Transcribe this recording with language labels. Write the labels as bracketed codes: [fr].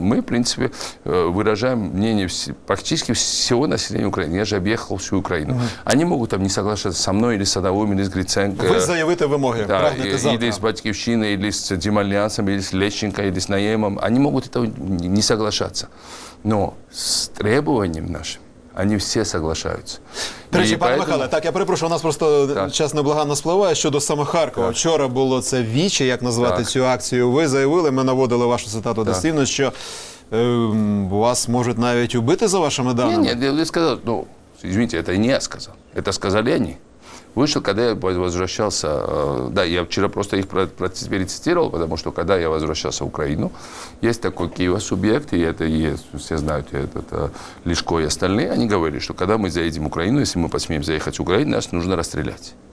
[ru] Мы, в принципе, выражаем мнение практически всего населения Украины. Я же объехал всю Украину. Они могут там не соглашаться со мной, или с Садовым, или с Гриценко. Вы заявите вымоги. Да, или с Батьковщиной, или с Демальянсом, или с Лещенко, или с Наемом. Они могут это не соглашаться. Но с требованием нашим они все соглашаются. [uk] Третій, пане Михайле, так, я перепрошую, у нас просто час неблаганно спливає щодо саме Харкова. Так. Вчора було це віче, як назвати цю акцію. Ви заявили, ми наводили вашу цитату дослівно, що вас можуть навіть убити за вашими даними. Ні, ви сказали, ну, [ru] извините, [uk] це не я сказав. Це сказали вони. [ru] Вышел, когда я возвращался, да, я вчера просто их перецитировал, потому что когда я возвращался в Украину, есть такой Киево-субъект, и это есть, все знают, это Лешко и остальные, они говорили, что когда мы заедем в Украину, если мы посмеем заехать в Украину, нас нужно расстрелять.